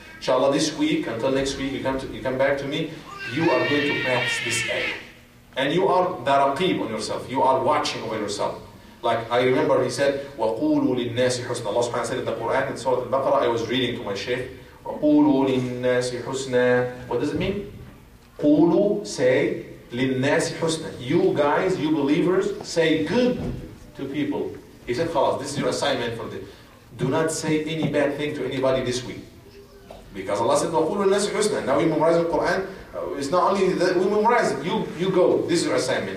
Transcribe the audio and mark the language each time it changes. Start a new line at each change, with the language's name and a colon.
English: Inshallah, this week, until next week, you come back to me, you are going to practice this ayah. And you are daraqib on yourself. You are watching over yourself. Like, I remember he said,
Arabic: وَقُولُوا لِلنَّاسِ حُسْنَ.
English: Allah subhanahu wa ta'ala said in the Quran, in Surah Al-Baqarah, I was reading to my shaykh, وَقُولُوا لِلنَّاسِ حُسْنَ. What does it mean?
Arabic: قولوا,
English: say,
Arabic: لِلنَّاسِ حُسْنَ.
English: You guys, you believers, say good to people. He said, خلاص, this is your assignment for this. Do not say any bad thing to anybody this week. Because Allah said,
Arabic: وَقُولُوا لِلنَّاسِ حُسْنَ.
English: Now we memorize the Quran. It's not only that we memorize it. You go. This is your assignment.